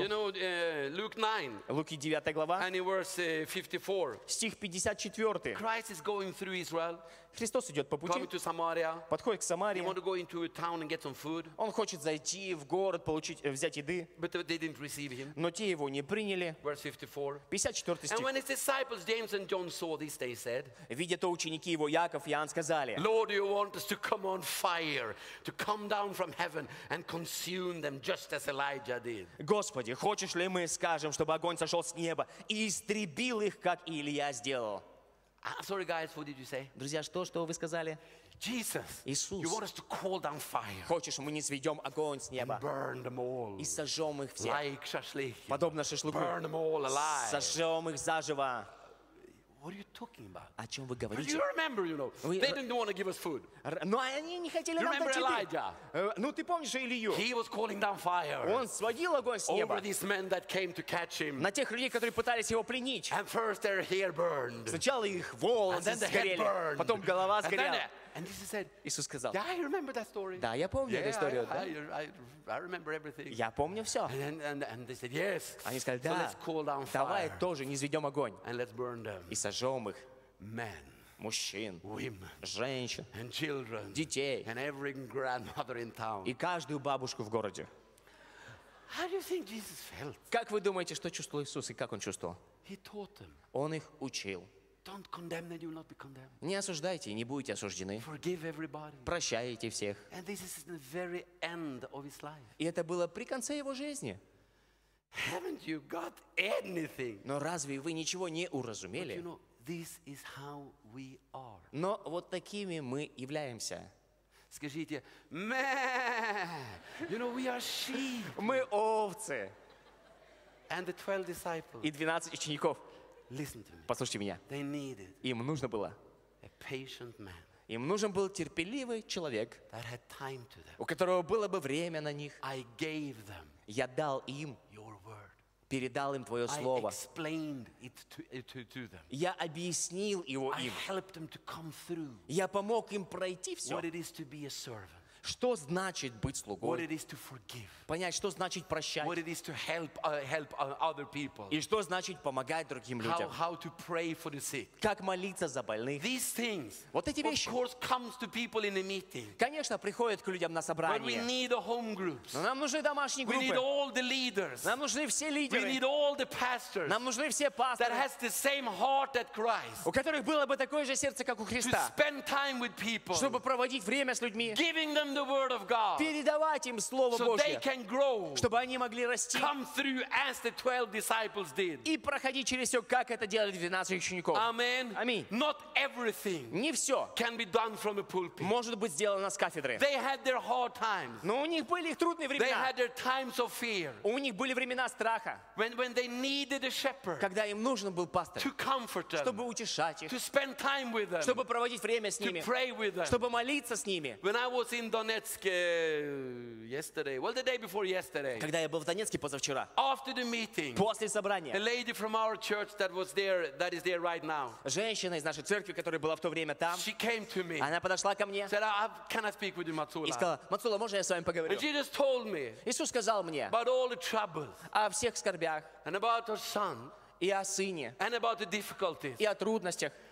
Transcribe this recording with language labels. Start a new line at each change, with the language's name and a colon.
English: You know, Luke 9.
Russian: Луки 9 глава.
English: And verse 54.
Russian: Стих 54.
English: Christ is going through Israel.
Russian: Христос идет по пути, подходит к Самарии.
English: He wanted to go into a town and get some food.
Russian: Он хочет зайти в город, получить, взять еды.
English: But they didn't receive him.
Russian: Но те его не приняли.
English: Verse 54.
Russian: 54 стих.
English: And when his disciples James and John saw this, they said,
Russian: видя то, ученики его, Яков и Иоанн, сказали,
English: Lord, you want us to come on fire, to come down from heaven and consume them, just as Elijah did.
Russian: Господи, хочешь ли мы скажем, чтобы огонь сошел с неба и истребил их, как и Илия сделал?
English: Sorry, guys. What did you say?
Russian: Друзья, что вы сказали?
English: Jesus.
Russian: Иисус.
English: You want us to call down fire.
Russian: Хочешь, мы не сведем огонь с неба?
English: And burn them all.
Russian: И сожжем их всех.
English: Like шашлык.
Russian: Подобно шашлыку.
English: Burn them all alive.
Russian: Сожжем их заживо.
English: What are you talking about?
Russian: О чем вы говорите?
English: You remember, you know, they didn't want to give us food.
Russian: Но они не хотели нам дать еды. Ну ты помнишь Илию?
English: He was calling down fire.
Russian: Он сводил огонь с неба.
English: Over these men that came to catch him.
Russian: На тех людей, которые пытались его пленить.
English: And first their hair burned.
Russian: Сначала их волосы сгорели. Потом голова сгорела.
English: And Jesus said,
Russian: Иисус сказал,
English: yeah, I remember that story.
Russian: Да, я помню эту историю.
English: I remember everything.
Russian: Я помню все.
English: And they said, yes.
Russian: Они сказали, да,
English: so let's call down fire.
Russian: Давай тоже низведем огонь.
English: And let's burn them.
Russian: И сожжем их.
English: Men.
Russian: Мужчин.
English: Women.
Russian: Женщин.
English: And children.
Russian: Детей.
English: And every grandmother in town.
Russian: И каждую бабушку в городе.
English: How do you think Jesus felt?
Russian: Как вы думаете, что чувствовал Иисус и как он чувствовал?
English: He taught them.
Russian: Он их учил.
English: Don't condemn and you will not be condemned.
Russian: Не осуждайте и не будете осуждены.
English: Forgive everybody.
Russian: Прощайте всех.
English: And this is the very end of his life.
Russian: И это было при конце его жизни.
English: Haven't you got anything?
Russian: Но разве вы ничего не уразумели?
English: But you know, this is how we are.
Russian: Но вот такими мы являемся. Скажите,
English: you know, we are sheep.
Russian: Мы овцы.
English: And the 12 disciples.
Russian: И 12 учеников.
English: Listen to me.
Russian: Послушайте меня.
English: They needed
Russian: им нужно было.
English: A patient man.
Russian: Им нужен был терпеливый человек,
English: that had time to them.
Russian: У которого было бы время на них.
English: I gave them.
Russian: Я дал им.
English: Your word.
Russian: Передал им твое слово.
English: I explained it to them.
Russian: Я объяснил его им.
English: I helped them to come through.
Russian: Я помог им пройти все.
English: What it is to be a servant.
Russian: Что значит быть слугой?
English: What it is to forgive.
Russian: Понять, что значит прощать.
English: What it is to help, help other people.
Russian: И что значит помогать другим людям.
English: How to pray for the sick.
Russian: Как молиться за больных.
English: These things,
Russian: вот эти вещи,
English: of course, comes to people in a meeting.
Russian: Конечно, приходят к людям на собрание.
English: But we need the home groups.
Russian: Но нам нужны домашние группы.
English: We need all the leaders.
Russian: Нам нужны все лидеры.
English: We need all the pastors.
Russian: Нам нужны все пасторы.
English: That has the same heart that Christ.
Russian: У которых было бы такое же сердце, как у Христа.
English: To spend time with people.
Russian: Чтобы проводить время с людьми.
English: Giving them the word of God.
Russian: Передавать им слово Божье.
English: Can grow,
Russian: чтобы они могли расти,
English: come through as the 12 disciples did.
Russian: И проходить через все, как это делали 12 учеников.
English: Amen. Amen. Not everything
Russian: не все
English: can be done from a pulpit.
Russian: Может быть сделано с кафедры.
English: They had their hard times.
Russian: Но у них были их трудные времена.
English: They had their times of fear.
Russian: У них были времена страха.
English: When they needed a shepherd,
Russian: когда им нужен был пастор,
English: to comfort them,
Russian: чтобы утешать их,
English: to spend time with them,
Russian: чтобы проводить время с
English: to
Russian: ними,
English: pray with them,
Russian: чтобы молиться с ними.
English: When I was in Donetsk yesterday, well, the day before yesterday.
Russian: Когда я был в Донецке позавчера.
English: After the meeting.
Russian: После собрания.
English: A lady from our church that was there, that is there right now.
Russian: Женщина из нашей церкви, которая была в то время там.
English: She came to me.
Russian: Она подошла ко мне.
English: Said, can I speak with you, Matsula?
Russian: И сказала, Matsula, можно я с вами поговорю?
English: And Jesus told me.
Russian: Иисус сказал мне.
English: About all the troubles.
Russian: О всех скорбях.
English: And about her son.
Russian: И о сыне.
English: And about the difficulties.
Russian: И о трудностях.